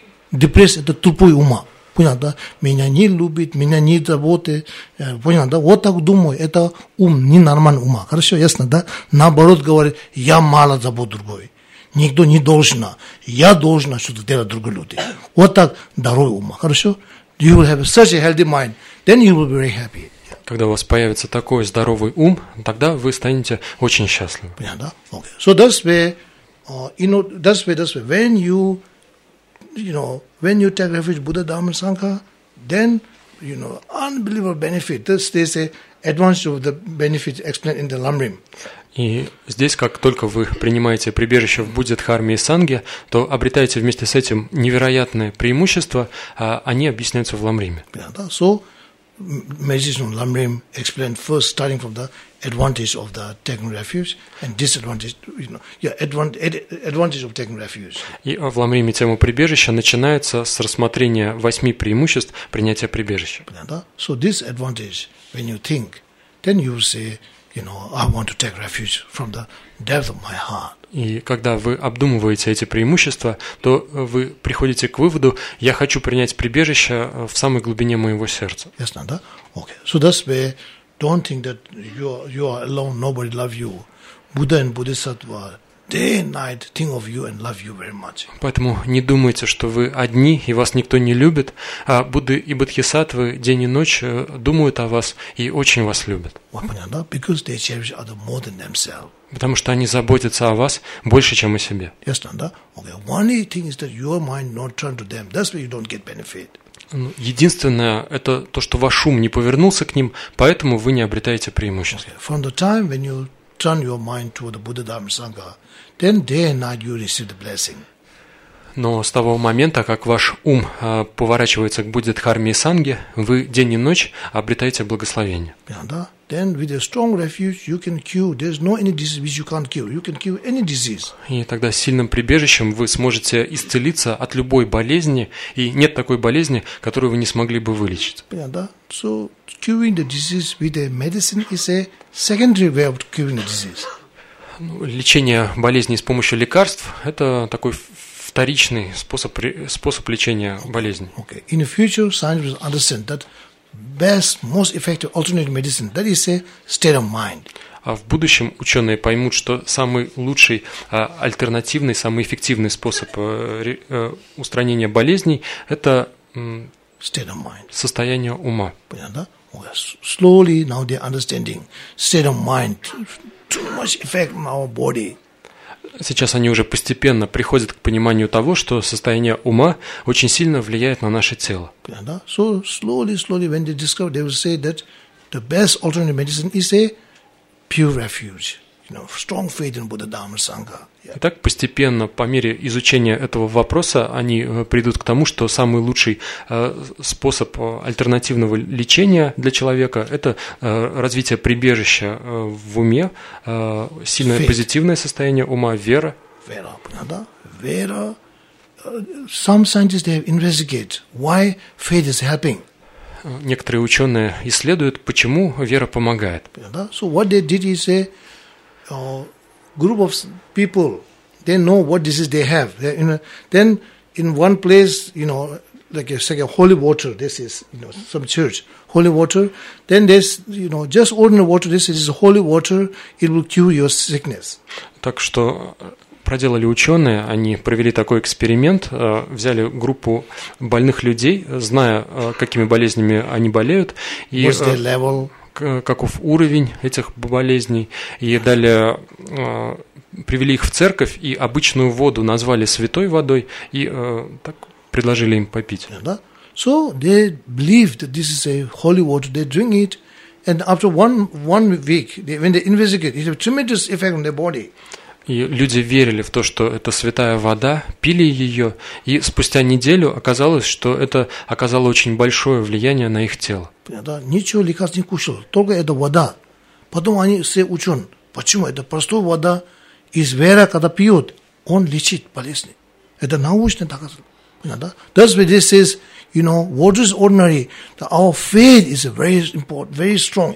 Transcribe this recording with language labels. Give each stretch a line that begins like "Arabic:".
Russian: Депрессия – это тупой ума. Понятно, да? Меня не любит, меня не заботит. Понятно, да? Вот так думаю, это ум, ненормальный ума. Хорошо, ясно, да? Наоборот, говорит, я мало забот другой. Никто не должен. Я должен что-то делать другим людям. Вот так здоровый ума. Хорошо?
English: You will have such a healthy mind, then you will be very happy.
Russian: Когда у вас появится такой здоровый ум, тогда вы станете очень счастливы. Понятно, да? Okay.
English: So that's where, you know, that's where, when you, you know, when you take refuge Buddha Dhamma Sangha, then you know unbelievable benefit. This they say advantage of the benefit explained in the Lamrim.
Russian: И здесь, как только вы принимаете прибежище в Будде, Дхарме и Санге, то обретаете вместе с этим невероятное преимущество, а они объясняются в Ламриме. Yeah, да.
English: So meditation on Lamrim explained first starting from the advantage of the taking refuge and disadvantage, you know, yeah, advantage of taking refuge.
Russian: И в Ламриме тема прибежища начинается с рассмотрения восьми преимуществ принятия прибежища. Yeah, да?
English: So this advantage, when you think, then you will say, you know, I want to take refuge from the depth of my heart.
Russian: И когда вы обдумываете эти преимущества, то вы приходите к выводу, я хочу принять прибежище в самой глубине моего сердца. Ясно, да? Okay.
English: So that's where don't think that you are alone, nobody love you. Buddha and Bodhisattva, day and night think of you and love you very much.
Russian: Поэтому не думайте, что вы одни и вас никто не любит, а Будды и Бодхисаттвы день и ночь думают о вас и очень вас любят.
English: Well,
Russian: понятно, да?
English: Because they cherish others more than themselves.
Russian: Потому что они заботятся о вас больше, чем о себе. Ясно, да? Okay.
English: One thing is that your mind not turn to them. That's why you don't get benefit.
Russian: Единственное, это то, что ваш ум не повернулся к ним, поэтому вы не обретаете преимущества. Okay.
English: From the time when you turn your mind toward the Buddha Dhamma Sangha, then day and night you receive the blessing.
Russian: Но с того момента, как ваш ум поворачивается к Буддхадхарме и Санге, вы день и ночь обретаете благословение. Да.
English: Then with a strong refuge you can cure. There's no any disease which you can't cure. You can cure any disease.
Russian: И тогда сильным прибежищем вы сможете исцелиться от любой болезни, и нет такой болезни, которую вы не смогли бы вылечить. Да.
English: So curing the disease with a medicine is a secondary way of curing the disease.
Russian: Лечение болезней с помощью лекарств – это такой вторичный способ лечения болезни. Okay.
English: In the future, science will understand that best, most effective alternative medicine – that is a state of mind.
Russian: А в будущем ученые поймут, что самый лучший альтернативный, самый эффективный способ устранения болезней – это
English: state of mind.
Russian: Состояние ума.
English: Понятно? Slowly now they're understanding state of mind. Too much effect on our body.
Russian: Сейчас они уже постепенно приходят к пониманию того, что состояние ума очень сильно влияет на наше тело.
English: So slowly, when they discover, they will say that the best alternative medicine is a pure refuge. You know, strong faith in Buddha, Dharma, Sangha.
Russian: Итак, постепенно, по мере изучения этого вопроса, они придут к тому, что самый лучший способ альтернативного лечения для человека – это развитие прибежища в уме, сильное позитивное состояние ума, вера. Вера, понятно? Вера.
English: Some scientists, they have investigated why faith is helping.
Russian: Некоторые ученые исследуют, почему вера помогает. Понятно?
English: So what they did is a group of people, they know what disease they have. They, you know, then in one place, you know, like a second holy water, this is, you know, some church, holy water. Then this, you know, just ordinary water, this is holy water, it will cure your sickness.
Russian: Так что проделали ученые, они провели такой эксперимент, взяли группу больных людей, зная, какими болезнями они болеют.
English: И, what's their level?
Russian: Каков уровень этих болезней, и далее привели их в церковь и обычную воду назвали святой водой и так предложили им попить. Yeah, да?
English: So they believe that this is a holy water, they drink it, and after one week, when they investigate, it has a tremendous effect on their body.
Russian: И люди верили в то, что это святая вода, пили ее, и спустя неделю оказалось, что это оказало очень большое влияние на их тело. Понятно? Ничего лекарств не кушал, только это вода. Потом они все учен, почему это простая вода из веры, когда пьет, он лечит болезни. Это научно доказано. Понятно?
English: That's why this is, you know, water is ordinary. That our faith is very important, very strong.